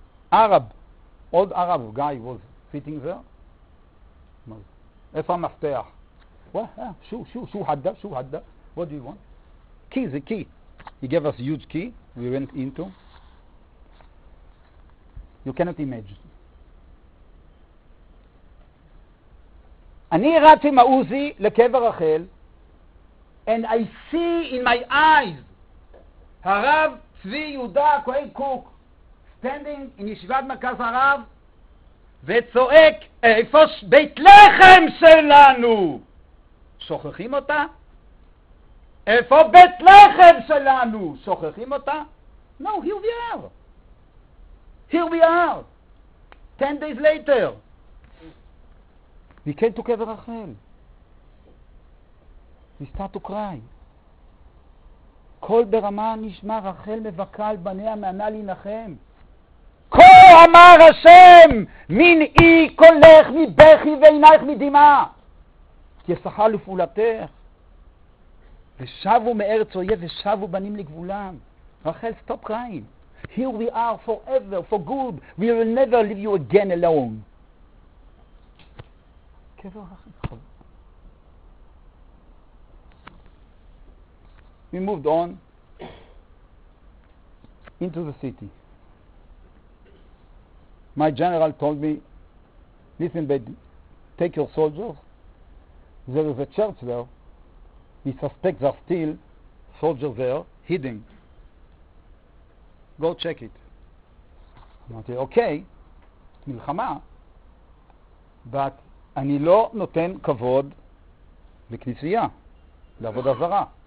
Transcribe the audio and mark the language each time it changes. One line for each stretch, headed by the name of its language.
English: Arab, old Arab guy was sitting there.
Hebrew: Efa Mafteach.
Arabic: Shu hadda.
English: What do you want? Key, the key. He gave us a huge key. We went into. You cannot imagine.
Hebrew: אני רץ עם האוזי לקבר רחל,
English: and I see in my eyes
Hebrew: הרב צבי יהודה הכהן קוק
English: standing in
Hebrew: ישיבת מרכז הרב וצועק, איפה בית לחם שלנו? שוכחים אותה? איפה בית לחם שלנו? שוכחים אותה?
English: No, here we are. Here we are. 10 days later. We came to קבר רחל. We start to cry.
Hebrew: קול ברמה נשמע רחל מבכה על בניה מענה להנחם. כה אמר השם, מנעי קולך מבכי ועינייך מדמעה. יסחה לפעולתך. ושבו מארץ אויב ושבו בנים לגבולם.
English: רחל, stop crying. Here we are forever, for good. We will never leave you again alone. We moved on into the city. My general told me, listen, baby, take your soldiers. There is a church there. We suspect there are still soldiers there, hidden. Go check it.
Hebrew: אמרתי, okay, מלחמה, but אני לא נותן כבוד לכנסייה, לעבודה זרה.